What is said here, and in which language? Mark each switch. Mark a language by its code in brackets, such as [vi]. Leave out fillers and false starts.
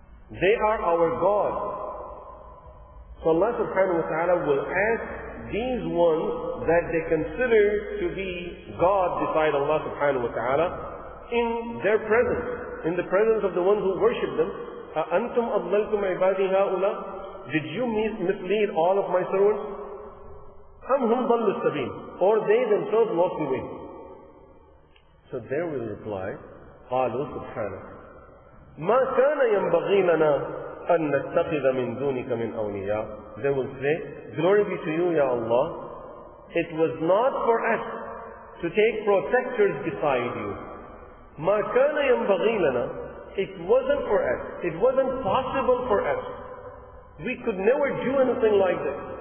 [en] They are our God. So Allah subhanahu wa ta'ala will ask these ones that they consider to be God beside Allah subhanahu wa ta'ala in their presence, in the presence of the ones who worship them, [ar] أَأَنْتُمْ أَضْلَلْتُمْ عِبَادِي هَؤُلَاء. [en] Did you mislead all of my servants? [ar] أَمْ هُمْ ضَلُّ السَّبِيلِ. [en] Or they themselves lost the way. So they will reply, [ar] قَالُوا سُبْحَانَكَ مَا كَانَ يَنْبَغِي لَنَا أَن نَتَّقِذَ مِن دُونِكَ مِنْ أَوْلِيَاءَ. [en] They will say, glory be to you, Ya Allah. It was not for us to take protectors beside you. [ar] مَا كَانَ يَنْبَغِي لَنَا. [en] It wasn't for us. It wasn't possible for us. We could never do anything like this.